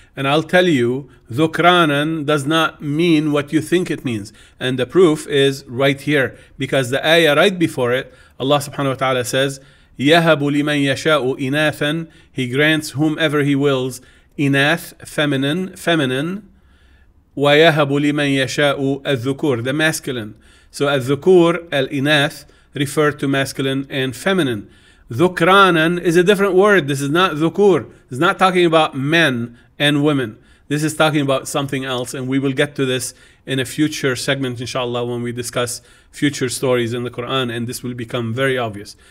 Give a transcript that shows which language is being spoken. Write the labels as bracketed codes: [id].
[en] And I'll tell you, ذُكْرَانًا does not mean what you think it means. And the proof is right here. Because the ayah right before it, Allah subhanahu wa ta'ala says, [ar] يَهَبُ لِمَنْ يَشَاءُ إِنَاثًا. [en] He grants whomever he wills, إِنَاث, feminine. [ar] وَيَهَبُ لِمَنْ يَشَاءُ الذُّكُور, [en] the masculine. So الذُّكُور, الإِنَاث, refer to masculine and feminine. ذُكْرَانًا is a different word. This is not ذُكُور. It's not talking about men and women. This is talking about something else, and we will get to this in a future segment, inshallah, when we discuss future stories in the Quran, and this will become very obvious.